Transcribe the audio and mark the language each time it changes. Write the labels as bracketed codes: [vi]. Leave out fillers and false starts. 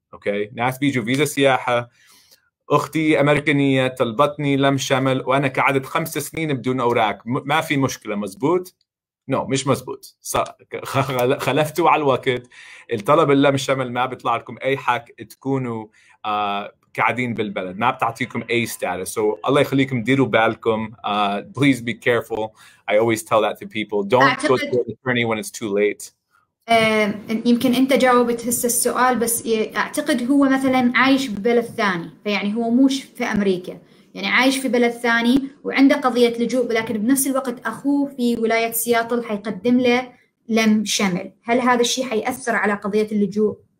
[ar] أوكي ناس بيجوا فيزا سياحة أختي أمريكانية طلبتني لم شمل وأنا قعدت 5 سنين بدون أوراق ما في مشكلة مزبوط؟ نو no, مش مزبوط خلفتوا على الوقت الطلب اللم شمل ما بيطلع لكم أي حق تكونوا قاعدين بالبلد ما بتعطيكم اي status. So الله يخليكم ديروا بالكم. [en] Please be careful. I always tell that to people. Don't go to an attorney when it's too late. [ar] يمكن انت جاوبت هسه السؤال بس اعتقد هو مثلا عايش ببلد ثاني فيعني هو موش في امريكا يعني عايش في بلد ثاني وعنده قضية لجوء ولكن بنفس الوقت اخوه في ولاية سياتل حيقدم له لم شمل. هل هذا الشيء حيأثر على قضية اللجوء؟